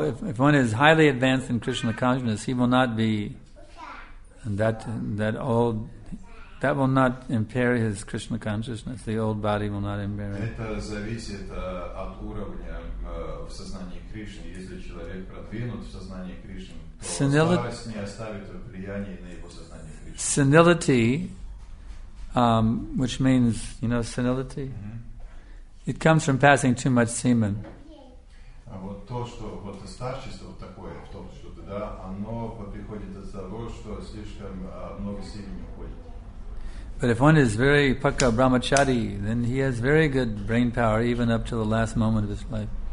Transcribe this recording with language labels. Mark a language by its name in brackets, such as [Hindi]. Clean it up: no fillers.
[English] If one is highly advanced in Krishna consciousness, he will not be that old. That will not impair his Krishna consciousness. The old body will not impair it. [Russian] Это зависит от уровня в сознании Кришны. Если человек продвинут в сознании Кришны, то старость не оставит влияния на его сознание Кришны. [English] Senility, which means, you know, senility, it comes from passing too much semen. [Russian] Вот то, что вот старчество вот такое, в том, что да, оно приходит от того, что слишком много семени уходит. [English] But if one is very pakka brahmachari, then he has very good brain power even up to the last moment of his life.